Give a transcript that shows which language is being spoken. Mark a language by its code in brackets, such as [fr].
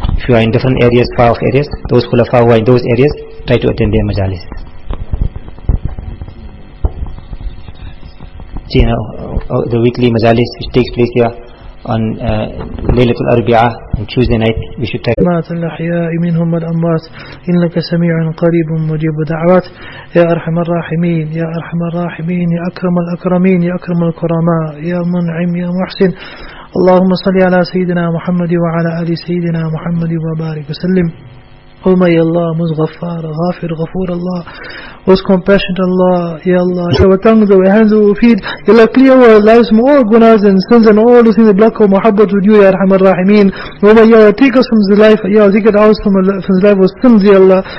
[en] If you are in different areas, far off areas, those khulafa who are in those areas, try to attend their majalis. See, you know, the weekly majalis which takes place here on Laylatul Arbi'ah on Tuesday night, we should take [ar] مات الأحياء منهم والأموات إنك سميع قريب مجيب دعوات يا أرحم الراحمين يا أرحم الراحمين يا أكرم الأكرمين يا أكرم الكرماء يا منعم يا محسن اللهم صل على سيدنا محمد وعلى آل سيدنا محمد وبارك وسلم. [en] Oh my Allah, most Ghaffar, Ghafir, Ghafur Allah, most compassionate Allah, Ya Allah, our tongues, our hands, our feet, Ya Allah, clear our lives from all gunas and sins and all those things that block our muhabbat with you, Ya Arhamar Rahimeen. Oh my Allah, take us from the life, Ya Allah, take it out from the life of sins, Ya Allah.